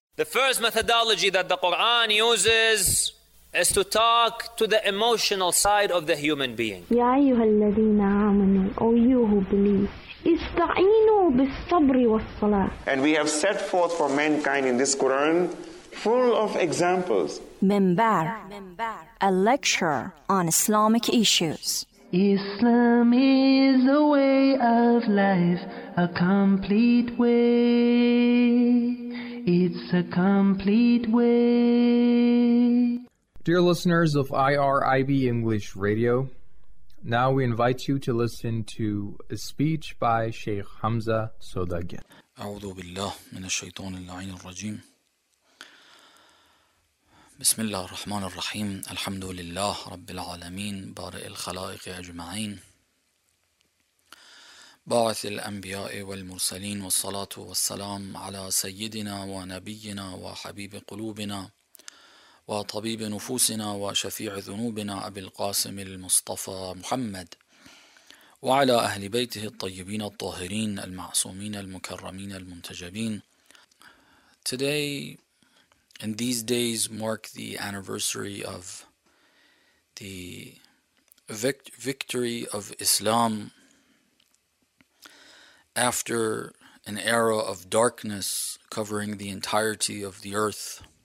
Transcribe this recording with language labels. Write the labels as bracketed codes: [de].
[en] The first methodology that the Quran uses is to talk to the emotional side of the human being. [ar] يا أيها الذين آمنوا, [en] O you who believe, [ar] استعينوا بالصبر والصلاة. [en] And we have set forth for mankind in this Quran full of examples. Minbar, a lecture on Islamic issues. Islam is a way of life, a complete way. It's a complete way. Dear listeners of IRIB English Radio, now we invite you to listen to a speech by Sheikh Hamza Sodagin. [ar] أعوذ بالله من الشيطان اللعين الرجيم. بسم الله الرحمن الرحيم. الحمد لله رب العالمين بارئ الخلائق أجمعين باعث الأنبياء والمرسلين والصلاة والسلام على سيدنا ونبينا وحبيب قلوبنا وطبيب نفوسنا وشفيع ذنوبنا أبي القاسم المصطفى محمد وعلى أهل بيته الطيبين الطاهرين المعصومين المكرمين المنتجبين. [en] Today and these days mark the anniversary of the victory of Islam after an era of darkness covering the entirety of the earth,